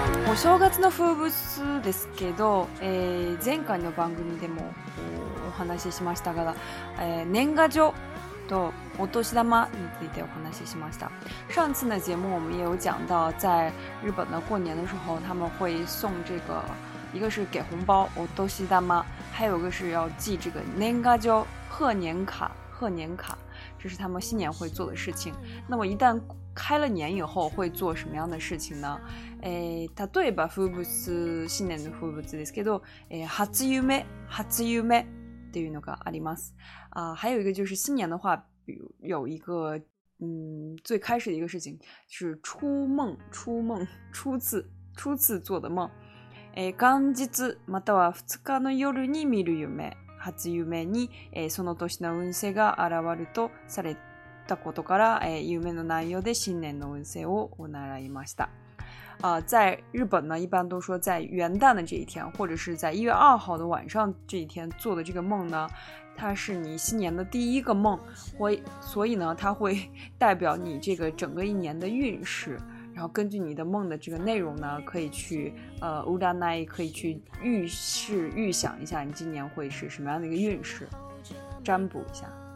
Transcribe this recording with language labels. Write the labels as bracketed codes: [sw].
[ja] お正月の風物ですけど、前回の番組でも。お話ししましたが、年賀状とお年玉についてお話ししました。 [zh] 上次の节目我们也有讲到，在日本的过年的时候，他们会送这个，一个是给红包お年玉，还有一个是要寄这个年賀状贺年卡，贺年卡，这是他们新年会做的事情。那么一旦开了年以后，会做什么样的事情呢？ [ja] 例えば風物新年の風物ですけど、初夢初夢。っていうのがあります。 [zh] 还有一个就是新年的话，有一个最开始的一个事情是初次做的梦。 [ja] 元日または2日の夜に見る夢、初夢に、その年の運勢が現るとされたことから、夢の内容で新年の運勢をお習いました。 [zh] 在日本呢，一般都说在元旦的这一天，或者是在1月2号的晚上这一天做的这个梦呢，它是你新年的第一个梦，所以呢，它会代表你这个整个一年的运势，然后根据你的梦的这个内容呢，可以去Uranai 可以去预想一下你今年会是什么样的一个运势，占卜一下。